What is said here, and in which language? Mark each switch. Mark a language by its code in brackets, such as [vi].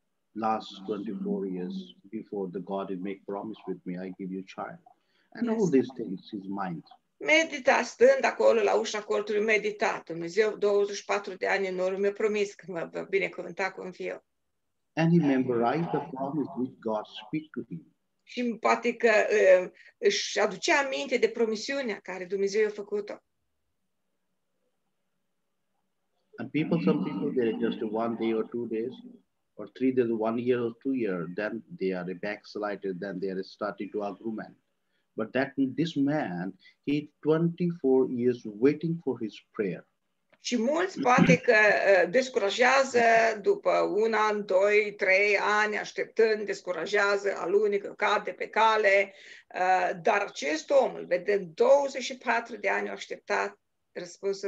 [en] Last 24 years before the God had made promise with me, I give you child. And yes. All these things, his mind. [ro] Medita, stând acolo la ușa cortului, medita. Dumnezeu, 24 de ani în urmă, mi-a promis că mă va binecuvânta cu un fiu. [en] And he memorized the promise which God speak to him. [ro] Și poate că își aducea aminte de promisiunea care Dumnezeu i-a făcut-o. [en] And people, some people, they're just one day or two days, or three days, one year or two years, then they are backslided, then they are starting to argument. But that this man, he 24 years waiting for his prayer. [ro] Și mulți poate că descurajează după un an, doi, trei ani așteptând, descurajează, alunică, cade pe cale, dar acest om, vedem 24 de ani, a așteptat răspunsul